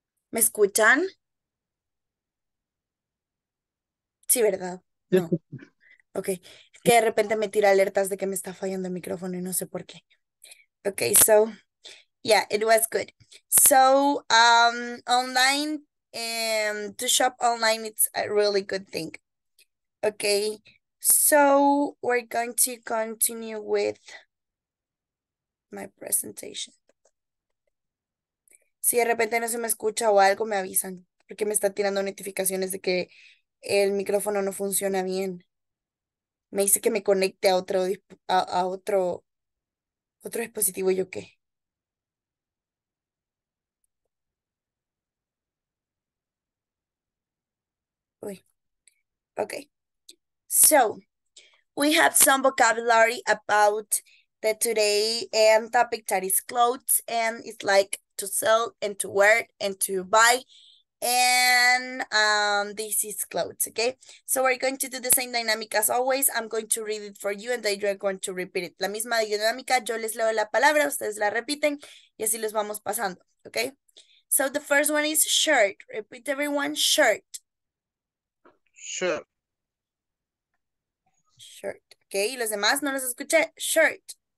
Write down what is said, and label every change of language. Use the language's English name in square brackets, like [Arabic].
[Spanish] ¿Me escuchan? Sí, ¿verdad? No. Ok. Es que de repente me tira alertas de que me está fallando el micrófono y no sé por qué. [English] Ok, so. Yeah, it was good. So, online, to shop online, it's a really good thing. Okay, so we're going to continue with my presentation. [Spanish] Si de repente no se me escucha o algo, me avisan, porque me está tirando notificaciones de que el micrófono no funciona bien. Me dice que me conecte a otro otro dispositivo y yo qué. [English] Uy. Okay. So, we have some vocabulary about the today and topic that is clothes, and it's like to sell and to wear and to buy, and this is clothes, okay? So we're going to do the same dynamic as always. I'm going to read it for you and then you're going to repeat it. [Spanish] La misma dinámica, yo les leo la palabra, ustedes la repiten y así los vamos pasando, okay? [English] So the first one is shirt. Repeat everyone, shirt. Shirt. Shirt, okay, [Spanish] y los demás no los escuché. [English] Shirt.